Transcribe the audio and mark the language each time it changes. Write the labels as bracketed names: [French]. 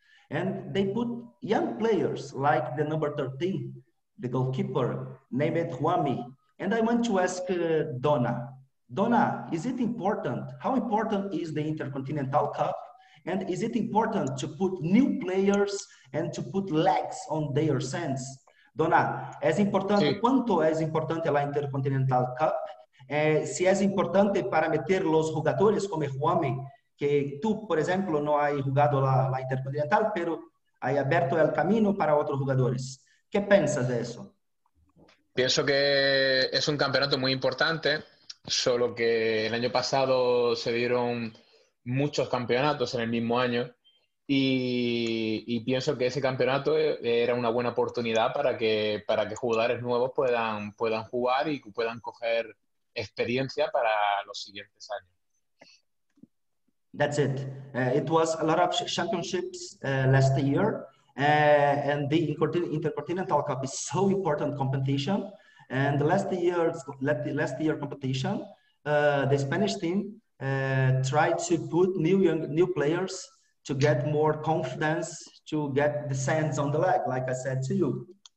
[English] And they put young players like the number 13, the goalkeeper, named Juanmi. And I want to ask Dona, is it important? How important is the Intercontinental Cup? And is it important to put new players and to put legs on their sands? [Spanish] Dona, es importante, sí. ¿Cuánto es importante la Intercontinental Cup? Si es importante para meter los jugadores como Juanmi, que tú, por ejemplo, no has jugado la Intercontinental, pero has abierto el camino para otros jugadores. ¿Qué piensas de eso? Pienso que es un campeonato muy importante, solo que el año pasado se dieron muchos campeonatos en el mismo año y pienso que ese campeonato era una buena oportunidad para que jugadores nuevos puedan jugar y puedan coger experiencia para los siguientes años. [English] That's it. It was a lot of championships last year, and the Intercontinental Cup is so important competition. And last year competition, the Spanish team tried to put new players to get more confidence, to get the sands on the leg, like I said to you.